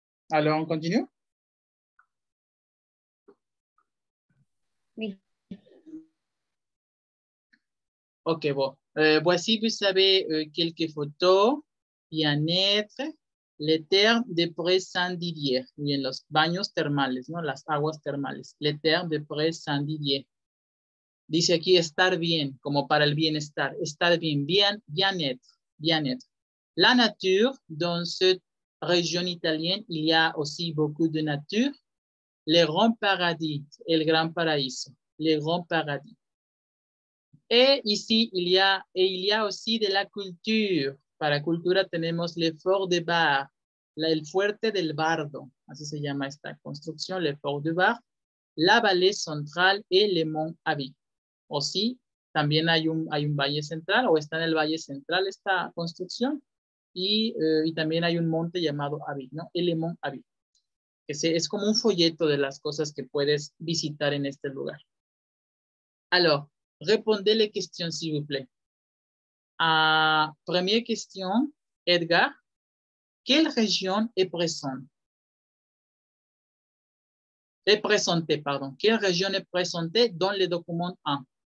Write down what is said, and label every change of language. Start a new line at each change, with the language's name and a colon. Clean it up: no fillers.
French: Alors, on continue? Oui. Ok, bon. Voici, vous savez, quelques photos. Bien-être, les termes de Pré-Saint-Didier.
Spanish: Bien, los baños termales, ¿no? Las aguas termales.
French: Les termes de Pré-Saint-Didier.
Spanish: Dice aquí estar bien, como para el bienestar. Estar bien, bien,
French: bien-être, bien-être. La nature, dans cette région italienne, il y a aussi beaucoup de nature. Le Grand Paradis,
Spanish: el Gran Paraíso,
French: le Grand Paradis. Et ici, il y a aussi de la culture.
Spanish: Para cultura tenemos le Fort de Bar, el Fuerte del Bardo. Así se llama esta construcción, le Fort de Bar. La Vallée Centrale et le Mont Avis. O sí, también hay un Valle Central, o está en el Valle Central esta construcción. Y también hay un monte llamado Avis, ¿no? El Mont Avis. Es como un folleto de las cosas que puedes visitar en este lugar.
French: Alors, répondez les questions, s'il vous plaît. Première question, Edgar. Quelle région est présente? Est présentée, pardon. Quelle région est présentée dans le document 1?